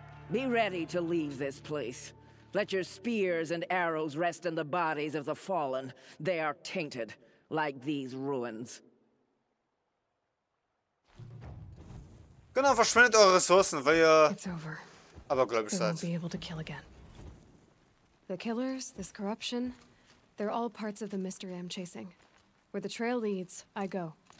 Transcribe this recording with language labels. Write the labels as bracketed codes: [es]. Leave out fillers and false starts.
[en] Be ready to leave this place. Let your spears and arrows rest in the bodies of the fallen. They are tainted, like these ruins. [de] Genau, verschwendet eure Ressourcen, weil ihr abergläubisch seid. [en] Won't be able to kill again. The killers, this corruption, they're all parts of the mystery I'm chasing. Where the trail leads, I go.